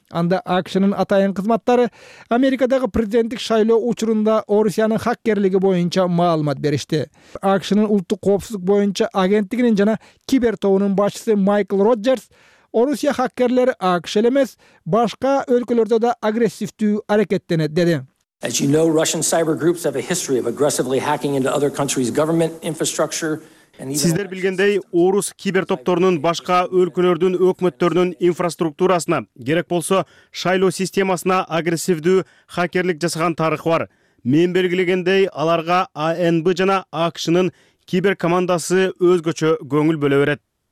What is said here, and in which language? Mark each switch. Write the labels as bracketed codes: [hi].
[ky] Анда АКШнын атайын кызматтары Америкадагы президенттик шайлоо учурунда Орусиянын хакерлиги боюнча маалымат беришти. АКШнын улуттук коопсуздук боюнча агенттигинин жана кибер тобунун башчысы Майкл Роджерс Орусия хакерлери АКШ эле эмес, башка өлкөлөрдө да агрессивдүү аракеттенет деди. [en] As you know, Russian cyber groups have a history of aggressively hacking into other countries' government infrastructure. [ky] Сиздер билгендей, орус кибер топторунун башка өлкөлөрдүн өкмөттөрүнүн инфраструктурасына, керек болсо, шайлоо системасына агрессивдүү хакерлик жасаган тарыхы бар. Мен белгилегендей, аларга АНБ жана АКШнын кибер командасы өзгөчө көңүл бөлө берет.